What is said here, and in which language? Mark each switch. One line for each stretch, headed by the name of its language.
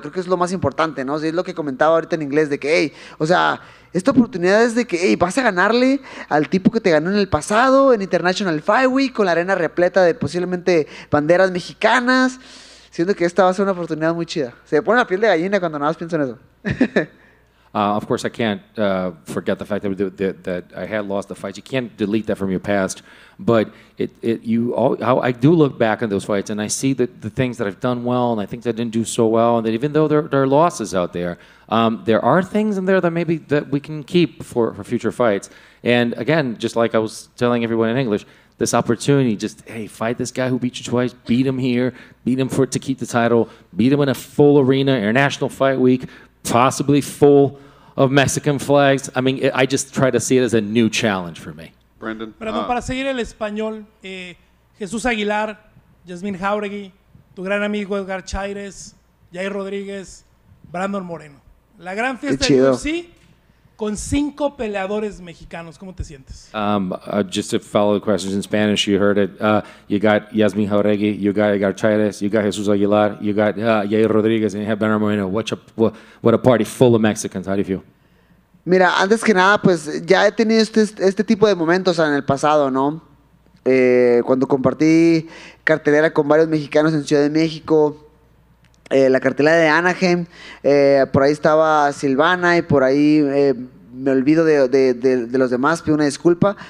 Spanish: Creo que es lo más importante, ¿no? O sea, es lo que comentaba ahorita en inglés, de que, hey, o sea, esta oportunidad es de que, hey, vas a ganarle al tipo que te ganó en el pasado, en International Fight Week, con la arena repleta de posiblemente banderas mexicanas. Siento que esta va a ser una oportunidad muy chida. Se me pone la piel de gallina cuando nada más pienso en eso.
English: Of course, I can't forget the fact that I had lost the fight. You can't delete that from your past. But I do look back on those fights, and I see the things that I've done well, and I think that I didn't do so well, and that even though there are losses out there, there are things in there that maybe that we can keep for future fights. And again, just like I was telling everyone in English, this opportunity, just, hey, fight this guy who beat you twice, beat him here, beat him to keep the title, beat him in a full arena, International Fight Week, possibly full of Mexican flags. I mean, I just try to see it as a new challenge for me. Brendan.
Spanish: Perdón, para seguir el español, Jesús Aguilar, Yasmín Jauregui, tu gran amigo Edgar Chaires, Jair Rodríguez, Brandon Moreno. La gran fiesta del UFC con cinco peleadores mexicanos. ¿Cómo te sientes?
English: Just to follow the questions in Spanish, you heard it. You got Yasmín Jauregui, you got Edgar Chaires, you got Jesús Aguilar, you got Jair Rodríguez, and you have Brandon Moreno. What a party full of Mexicans. How do you feel?
Spanish: Mira, antes que nada, pues ya he tenido este tipo de momentos en el pasado, ¿no? Cuando compartí cartelera con varios mexicanos en Ciudad de México, la cartelera de Anaheim, por ahí estaba Silvana y por ahí me olvido de los demás, pido una disculpa.